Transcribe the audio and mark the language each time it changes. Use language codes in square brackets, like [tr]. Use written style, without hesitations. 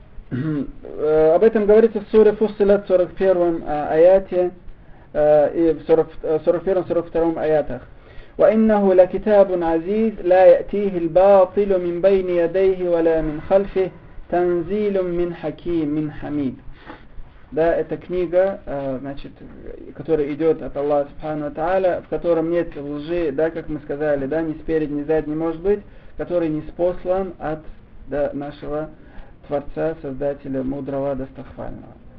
[ru] Об этом говорится в суре Фуссилят, в 41 аяте, и в 41-42 аятах. [ar] وإنه لكتاب عزيز لا يأتيه الباطل من بين يديه ولا من خلفه تنزيل من حكيم من حميد. [ru] Да, эта книга, значит, которая идет от Аллаха Субхану ва Тааля, в котором нет лжи, да, как мы сказали, да, ни спереди, ни сзади не может быть, который не спослан от, да, нашего Творца, Создателя Мудрого, Достохвального.